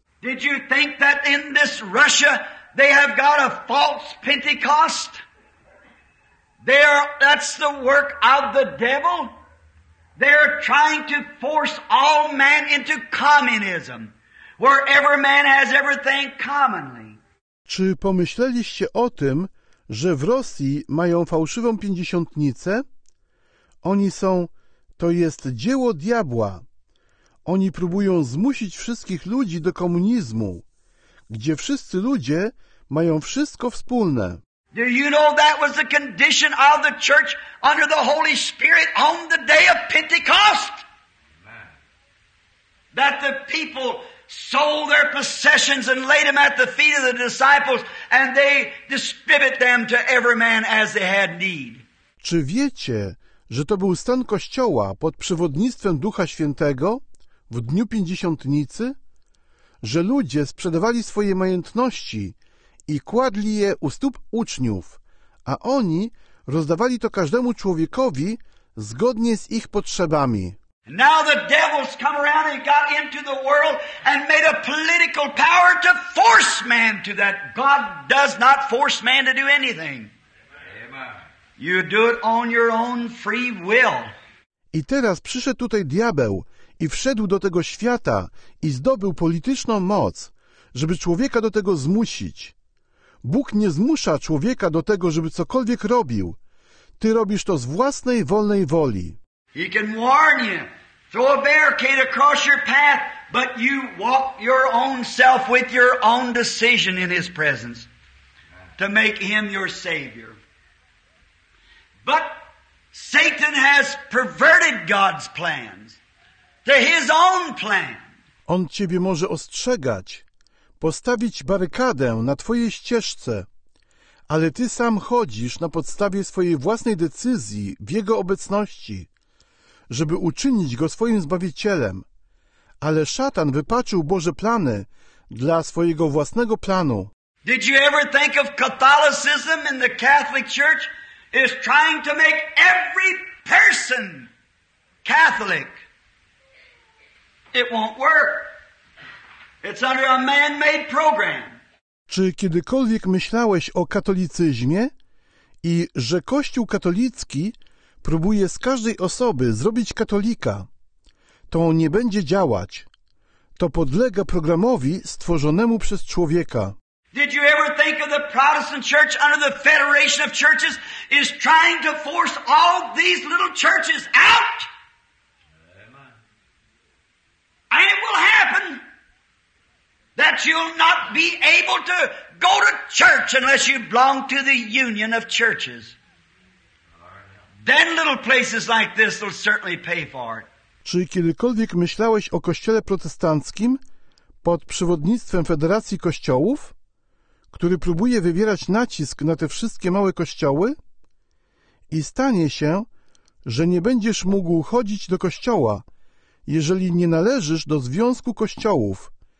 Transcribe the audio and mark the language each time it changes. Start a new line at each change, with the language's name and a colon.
English: Did you think that in this Russia they have got a false Pentecost? That's the work of the devil. They are trying to force all man into communism, where every man has everything commonly.
Polish: Czy pomyśleliście o tym, że w Rosji mają fałszywą pięćdziesiątnicę? Oni są, to jest dzieło diabła. Oni próbują zmusić wszystkich ludzi do komunizmu, gdzie wszyscy ludzie mają wszystko wspólne.
English: Do you know that was the condition of the church under the Holy Spirit on the day of Pentecost? Amen. That the people sold their possessions and laid them at the feet of the disciples and they distributed them to every man as they had need.
Polish: Czy wiecie, że to był stan Kościoła pod przewodnictwem Ducha Świętego w dniu Pięćdziesiątnicy? Że ludzie sprzedawali swoje majątności i kładli je u stóp uczniów, a oni rozdawali to każdemu człowiekowi zgodnie z ich potrzebami.
English: Now the devil's come around and got into the world and made a political power to force man to that. God does not force man to do anything. You do it on your own free will.
Polish: I teraz przyszedł tutaj diabeł i wszedł do tego świata i zdobył polityczną moc, żeby człowieka do tego zmusić. Bóg nie zmusza człowieka do tego, żeby cokolwiek robił. Ty robisz to z własnej wolnej woli.
English: He can warn you, throw a barricade across your path, but you walk your own self with your own decision in his presence to make him your savior. But Satan has perverted God's plans to his own plan.
Polish: On ciebie może ostrzegać, postawić barykadę na twojej ścieżce, ale ty sam chodzisz na podstawie swojej własnej decyzji w jego obecności, żeby uczynić go swoim Zbawicielem. Ale szatan wypaczył Boże plany dla swojego własnego planu.
English: Did you ever think of Catholicism in the Catholic Church is trying to make every person Catholic? It won't work. It's under a man-made program.
Polish: Czy kiedykolwiek myślałeś o katolicyzmie i że Kościół katolicki próbuje z każdej osoby zrobić katolika? To nie będzie działać. To podlega programowi stworzonemu przez człowieka.
English: Did you ever think of the Protestant Church under the Federation of Churches is trying to force all these little churches out? And it will happen that you'll not be able to go to church unless you belong to the Union of Churches. Then little places like this will certainly pay for it.
Polish: Czy kiedykolwiek myślałeś o kościele protestanckim pod przewodnictwem Federacji Kościołów, który próbuje wywierać nacisk na te wszystkie małe kościoły? I stanie się, że nie będziesz mógł chodzić do kościoła, jeżeli nie należysz do Związku Kościołów.